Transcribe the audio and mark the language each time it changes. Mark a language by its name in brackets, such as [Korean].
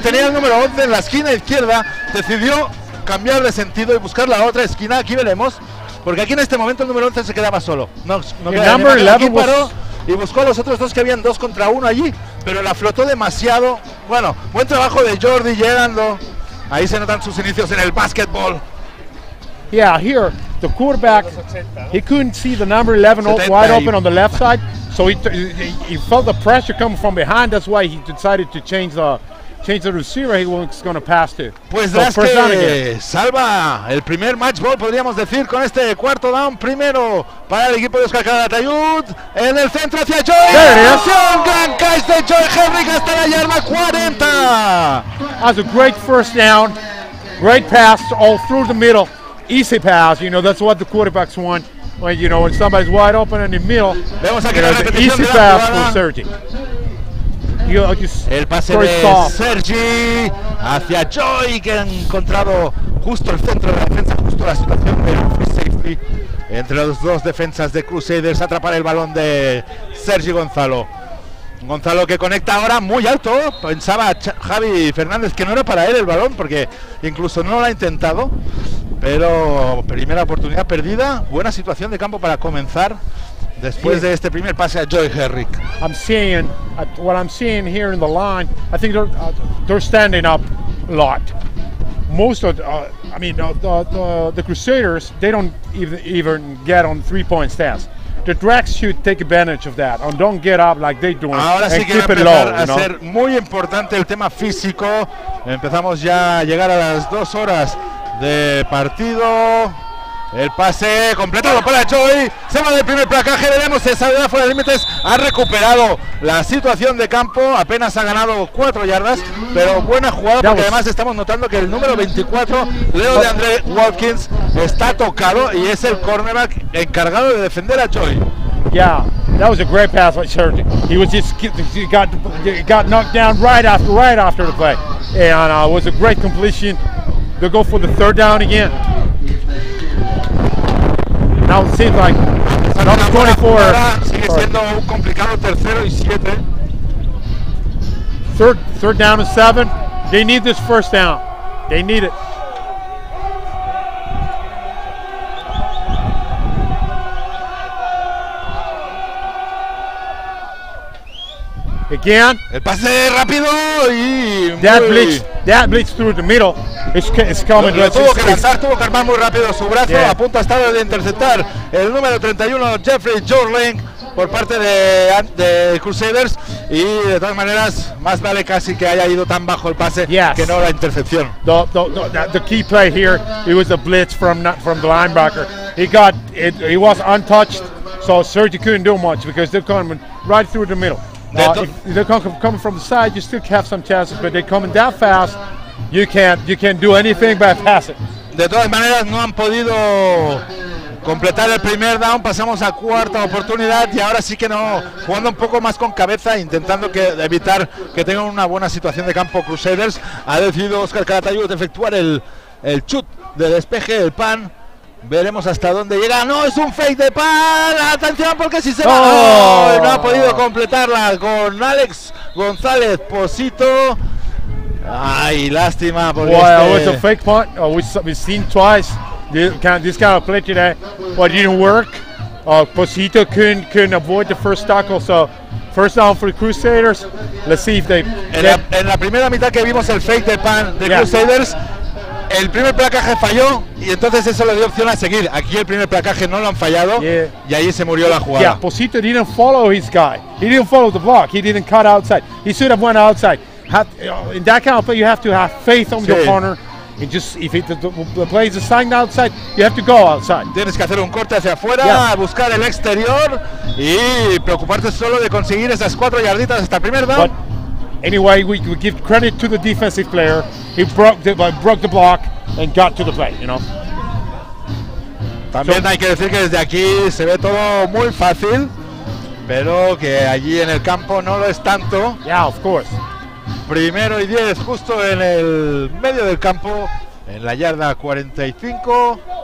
[Spanish] Tenía el número 11 en la esquina izquierda. Decidió cambiar de sentido y buscar la otra esquina. Aquí veremos. Porque aquí en este momento el número 11 se quedaba solo. No el número 11 paró y buscó a los otros dos que habían dos contra uno allí, pero la flotó demasiado. Bueno, buen trabajo de Jordi llegando. Ahí se notan sus inicios en el básquetbol. [English] Yeah, here the quarterback, he couldn't see the number 11 wide open on the left side, so he felt the pressure coming from behind. That's why he decided to change the receiver he was going to pass to. Pues so first down again. [Spanish] Salva el primer match ball, podríamos decir, con este cuarto down. Primero para el equipo de Oscar Calatayud. En el centro hacia Joy. [English] There it is. [Spanish] Un gran catch de Joy Henry hasta la yarda 40. [English] That's a great first down. Great pass all through the middle. Easy pass. You know, that's what the quarterbacks want. When, you know, when somebody's wide open in the middle. [Spanish] Vemos aquí la repetición. [English] Easy pass for Sergi. [Spanish] El pase de Sergi hacia Joy, que ha encontrado justo el centro de la defensa, justo la situación del free safety entre los dos defensas de Crusaders. Atrapar el balón de Sergi Gonzalo. Gonzalo que conecta ahora muy alto. Pensaba Javi Fernández que no era para él el balón, porque incluso no lo ha intentado. Pero primera oportunidad perdida. Buena situación de campo para comenzar. Después de este primer pase a Joy Herrick. [English] I'm seeing what I'm seeing here in the line. I think they're standing up a lot. Most of the Crusaders, they don't even get on 3-point stance. The Drags should take advantage of that and don't get up like they're doing. [Spanish] Ahora sí que va a ser muy importante el tema físico. Empezamos ya a llegar a las 2 horas de partido. El pase completado para Joy. Se va del primer placaje. Veremos si sale fuera de límites. Ha recuperado la situación de campo. Apenas ha ganado 4 yardas. Pero buena jugada, porque además estamos notando que el número 24, Leo de André Watkins, está tocado y es el cornerback encargado de defender a Joy. [English] Yeah, that was a great pass by Sergi. He was just he got knocked down right after the play. And it was a great completion. They go for the third down again. Now it seems like number 24. Third down and 7. They need this first down. They need it. Again. [Spanish] El pase rápido y [English] That blitz through the middle is coming. [Spanish] Tuvo que armar muy rápido su brazo. Yeah. A punto ha estado de interceptar el número 31, Jeffrey Jorling, por parte de Crusaders. Y de todas maneras, más vale casi que haya ido tan bajo el pase, [English] yes, [Spanish] que no la intercepción. [English] The key play here, it was a blitz from the linebacker. He was untouched, so Sergi couldn't do much because they're coming right through the middle. They're coming from the side, you still have some chances, but they're coming that fast, you can't do anything but pass it. [Spanish] De todas maneras, no han podido completar el primer down. Pasamos a cuarta oportunidad y ahora sí que no, jugando un poco más con cabeza, intentando evitar que tengan una buena situación de campo Crusaders. Ha decidido Oscar Calatayud efectuar el chut de despeje del pan. Veremos hasta dónde llega. No, es un fake de pan. Atención, porque si se va. No ha podido completarla con Alex González Posito. Ay, lástima. [English] Wow, it was a fake punt. Oh, we've seen twice this kind of play today. Well, it didn't work. Posito couldn't avoid the first tackle. So, first down for the Crusaders. Let's see if they. [Spanish] En la primera mitad que vimos el fake de pan de Crusaders. El primer placaje falló y entonces eso le dio opción a seguir. Aquí el primer placaje no lo han fallado, [English] yeah, [Spanish] y ahí se murió la jugada. [English] Yeah, Posito didn't follow his guy. He didn't follow the block. He didn't cut outside. He should have went outside. In that kind of play, you have to have faith on your corner. And just if it, the play is assigned outside, you have to go outside. [Spanish] Tienes que hacer un corte hacia afuera, yeah, buscar el exterior y preocuparte solo de conseguir esas cuatro yarditas hasta primer down. [English] But anyway, we give credit to the defensive player. He broke the block and got to the play, you know. [Spanish] También hay que decir que desde aquí se ve todo muy fácil, pero que allí en el campo no lo es tanto. [English] Yeah, of course. [Spanish] Primero y 10 justo en el medio del campo, en la yarda 45.